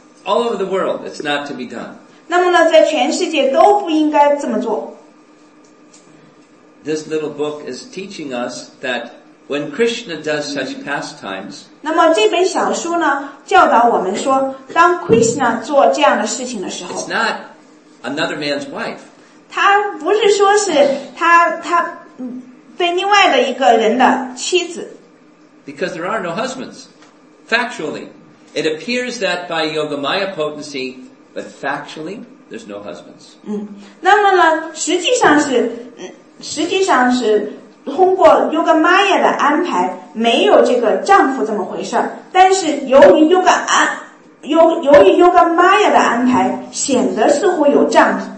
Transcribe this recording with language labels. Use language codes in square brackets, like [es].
[en] All over the world, it's not to be done. [zh] 那么呢，在全世界都不应该这么做。 [en] This little book is teaching us that when Krishna does such pastimes, [zh] 那么这本小书呢，教导我们说，当 Krishna 做这样的事情的时候 [en] ，It's not another man's wife. [zh] 他不是说是他对另外的一个人的妻子。 [en] Because there are no husbands, factually, it appears that by Yoga Maya potency, but factually, there's no husbands. [zh] 那么呢，实际上是通过 Yoga Maya 的安排没有这个丈夫这么回事，但是由于 Yoga Maya 的安排显得似乎有丈夫。